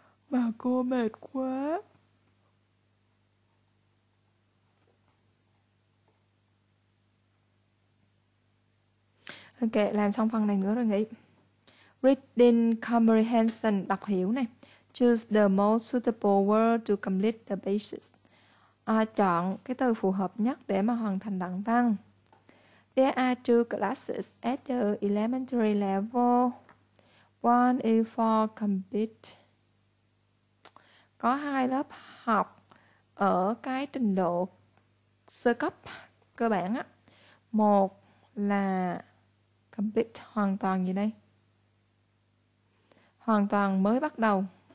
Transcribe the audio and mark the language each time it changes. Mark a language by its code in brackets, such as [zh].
[vi] Mà cô mệt quá. Ok, làm xong phần này nữa rồi nghỉ. [en] Reading comprehension, [vi] đọc hiểu này. [en] Choose the most suitable word to complete the basics. [vi] Chọn cái từ phù hợp nhất để mà hoàn thành đoạn văn. [en] There are two classes at the elementary level. One is for complete. [vi] Có hai lớp học ở cái trình độ sơ cấp cơ bản á. Một là complete hoàn toàn gì đây? Hoàn toàn mới bắt đầu.